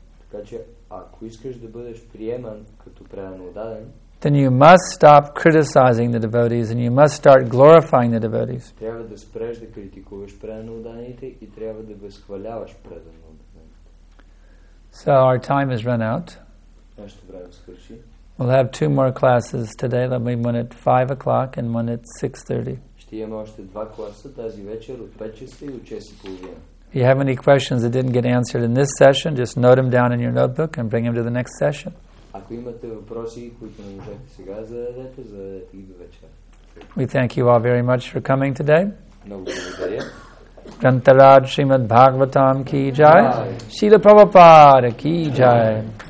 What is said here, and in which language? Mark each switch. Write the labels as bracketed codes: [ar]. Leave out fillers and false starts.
[bg] така че ако искаш да бъдеш приеман като предано отдаден, [en] then you must stop criticizing the devotees and you must start glorifying the devotees. [bg] Трябва да спреш да критикуваш предано отдадените и трябва да възхваляваш предано отдадените. [en] So our time has run out. [bg] Нашето време свърши. [en] We'll have two more classes today. There'll be one at 5 o'clock and one at 6:30. [bg] Ще имаме още два класа тази вечер от 5 часа и от 6:30. [en] If you have any questions that didn't get answered in this session, just note them down in your notebook and bring them to the next session. [bg] Ако имате въпроси, които не можете сега зададете, зададете ги до вечера. [en] We thank you all very much for coming today. [bg] Много благодаря. Грантарад Шримад Бхагаватам ки джай. Шрила Прабхупада ки джай.